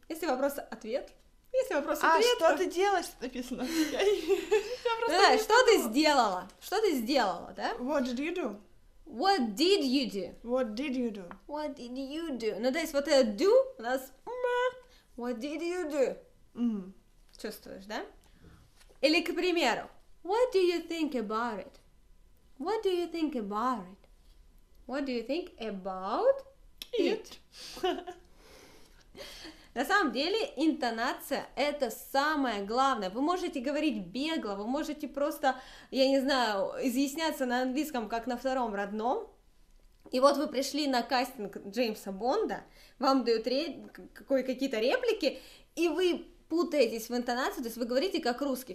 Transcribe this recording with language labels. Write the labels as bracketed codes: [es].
[ru] Если вопрос-ответ... Если вопрос ответ, что ты делаешь, написано. Да, что ты сделала? Что ты сделала, да? [en] What did you do? What did you do? What did you do? What did you do? [ru] Ну, то есть вот это do у нас... [en] What did you do? [ru] Чувствуешь, да? Или, к примеру, [en] what do you think about it? What do you think about it? What do you think about it? [ru] На самом деле интонация – это самое главное. Вы можете говорить бегло, вы можете просто, я не знаю, изъясняться на английском, как на втором родном. И вот вы пришли на кастинг Джеймса Бонда, вам дают какие-то реплики, и вы путаетесь в интонации, то есть вы говорите как русский.